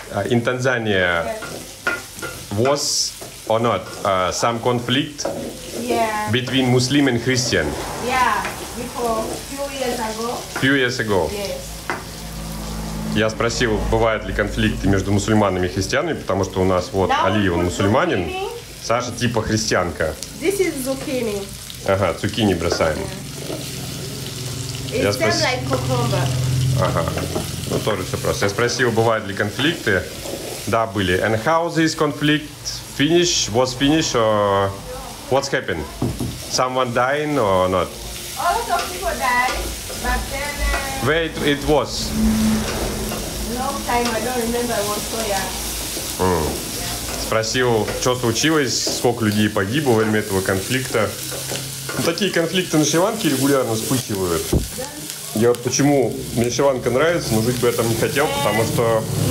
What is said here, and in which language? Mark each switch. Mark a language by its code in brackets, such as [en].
[en] In Tanzania, was or not some conflict between Muslim and Christian? Yeah, before, few years ago. Few years ago. Yes. [ru] Я спросил, бывают ли конфликты между мусульманами и христианами, потому что у нас вот [en] Now [ru] Али, он мусульманин. Саша типа христианка. [en] This is zucchini. [ru] Ага, цукини бросаем. [en] It sounds like cucumber. [ru] Ага, ну тоже все просто. Я спросил, бывают ли конфликты. Да, были. [en] And how this conflict finish? Was finish or what's happened? Someone dying or not? A lot of people died, but then... Where it was? Long time, I don't remember, I was so young. Mm. [ru] Спросил, что случилось, сколько людей погибло во время этого конфликта. Ну, такие конфликты на Шри-Ланке регулярно вспыхивают. Я вот почему мне Шри-Ланка нравится, но жить бы я там не хотел, потому что...